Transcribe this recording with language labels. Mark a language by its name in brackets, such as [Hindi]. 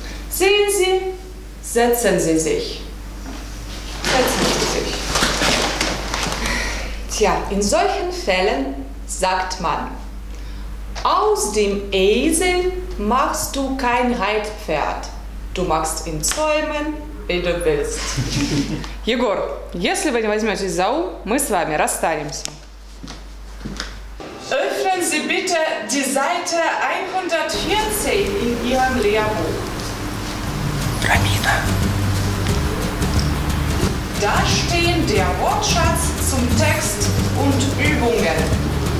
[German] Sehen Sie, setzen Sie sich. Setzen Sie sich. Tja, in solchen Fällen sagt man, aus dem Esel machst du kein Reitpferd. Du machst ihn zäumen, wie du willst. [Russian] Егор, если вы не возьмете за ум, мы с вами расстанемся. [German] Öffnen Sie bitte die Seite 114 in Ihrem Lehrbuch. [Russian] Рамина. [German] Da stehen der Wortschatz zum Text und Übungen.